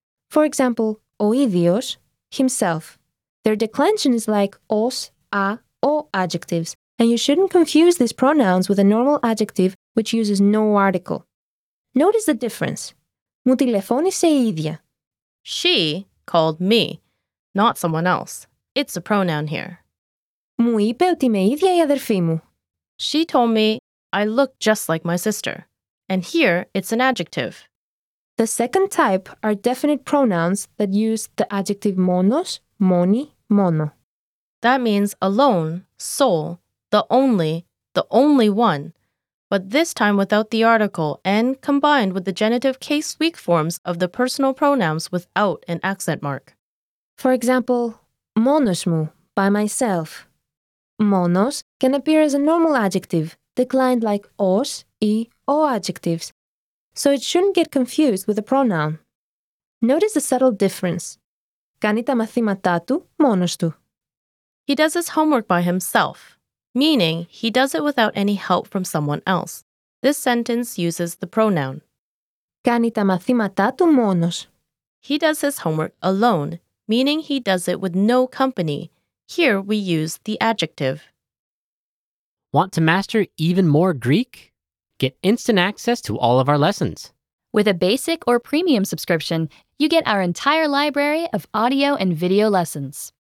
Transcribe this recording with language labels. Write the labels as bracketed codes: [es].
[en] For example, [el] ο ίδιος, [en] himself. Their declension is like ως, α, ο adjectives, and you shouldn't confuse these pronouns with a normal adjective which uses no article. [el] Notice the difference. Μου τηλεφώνησε η ίδια. [en] She called me, not someone else. It's a pronoun here. [el] Μου είπε ότι είμαι ίδια η αδερφή μου. [en] She told me I look just like my sister. And here, it's an adjective. The second type are definite pronouns that use the adjective [el] μόνος, μόνη, μόνο. [en] That means alone, sole, the only one. But this time without the article and combined with the genitive case weak forms of the personal pronouns without an accent mark. For example, [el] μόνος μου, [en] by myself. Μόνος can appear as a normal adjective, declined like ως, ή, ο adjectives. So it shouldn't get confused with a pronoun. Notice the subtle difference. [el] Κάνει τα μαθήματά του μόνος του. [en] He does his homework by himself, meaning he does it without any help from someone else. This sentence uses the pronoun. [el] Κάνει τα μαθήματά του μόνος. [en] He does his homework alone, meaning he does it with no company. Here we use the adjective. Want to master even more Greek? Get instant access to all of our lessons. With a basic or premium subscription, you get our entire library of audio and video lessons.